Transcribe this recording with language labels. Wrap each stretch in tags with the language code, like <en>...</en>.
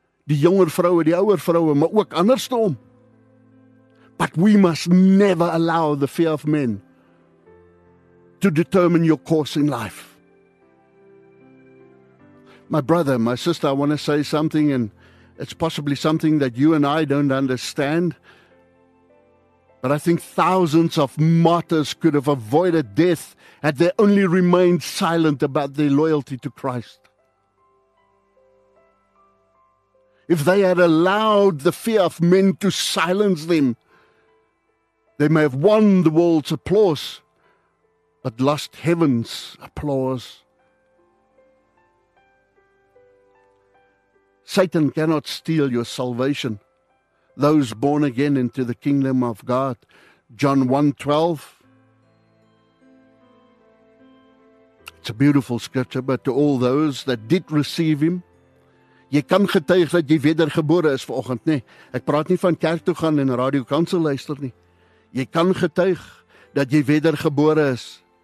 <af>Die jonger vroue, die ouer vroue, maar ook andersom.</af> <en>But we must never allow the fear of men to determine your course in life. My brother, my sister, I want to say something and it's possibly something that you and I don't understand. But I think thousands of martyrs could have avoided death had they only remained silent about their loyalty to Christ. If they had allowed the fear of men to silence them, they may have won the world's applause, but lost heaven's applause. Satan cannot steal your salvation. Those born again into the kingdom of God. John 1:12. It's a beautiful scripture, but to all those that did receive him,</en> <af>jy kan getuig dat jy wedergebore is vanoggend, nê? Ek praat nie van kerk toe gaan en radio kansel luister nie. Jy kan getuig dat jy wedergebore is.</af>